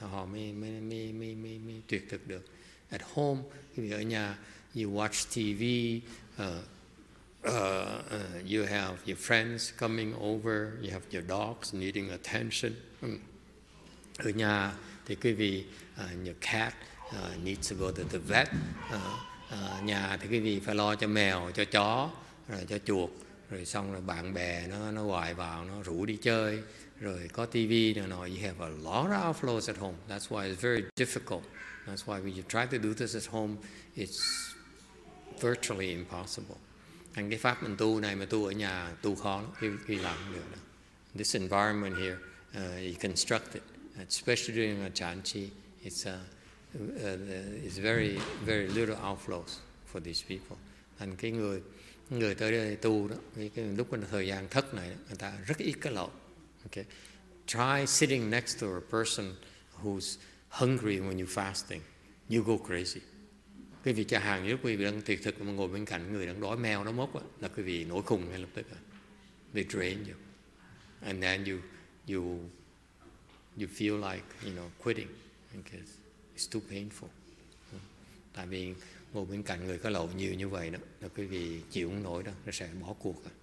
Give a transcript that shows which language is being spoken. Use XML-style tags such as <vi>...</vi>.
<vi>Họ mới tuyệt thực được.</vi> <en>At home,</en> <vi>ở nhà,</vi> <en>you watch TV. You have your friends coming over, you have your dogs needing attention.</en> <vi>Ở nhà thì quý vị,</vi> <en>your cat needs to go to the vet.</en> <vi>Nhà thì quý vị phải lo cho mèo, cho chó, rồi cho chuột, rồi xong rồi bạn bè nó gọi vào, nó rủ đi chơi, rồi có TV nữa nọ.</vi> <en>You have a lot of outflows at home. That's why it's very difficult. That's why when you try to do this at home, it's virtually impossible.</en> <vi>Thành cái pháp mình tu này mà tu ở nhà tu khó lắm, khi làm được đó.</vi> <en>This environment here, you construct it, especially during a Chan Chi, it's very, very little outflows for these people.</en> <vi>Thành cái người tới đây tu đó, cái lúc mà thời gian thất này, đó, người ta rất ít cái lậu. Okay.</vi> <en>Try sitting next to a person who's hungry when you're fasting. You go crazy.</en> <vi>Quý vị trả hàng, nếu quý vị đang tuyệt thực mà ngồi bên cạnh người đang đói mèo nó mốc đó, là quý vị nổi khùng ngay lập tức.</vi> <en>They drain you. And then you feel like, you know, quitting because it's too painful.</en> <vi>Tại vì ngồi bên cạnh người có lậu nhiều như vậy đó, là quý vị chịu không nổi đó, nó sẽ bỏ cuộc.</vi>